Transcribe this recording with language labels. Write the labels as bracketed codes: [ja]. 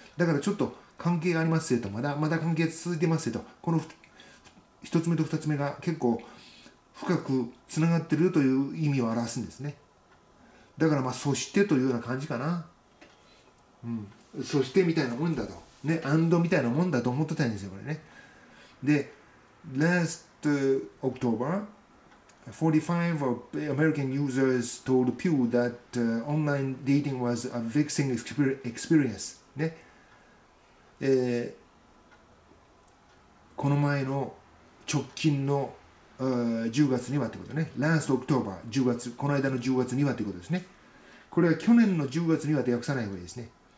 [ja] だからちょっと関係ありますよと、まだ関係続いてますよと、この一つ目と二つ目が結構深くつながってるという意味を表すんですね。だからまあそしてというような感じかな、そしてみたいなもんだとね、アンドみたいなもんだと思ってたんですよ、これね。 [en] で、Last October, 45 of American users told Pew that online dating was a vexing experience. [ja] ね、この前の直近の10月にはってことね。 [en] Last October, [ja] 10月、この間の10月にはってことですね。これは去年の10月にはって訳さない方がいいですね。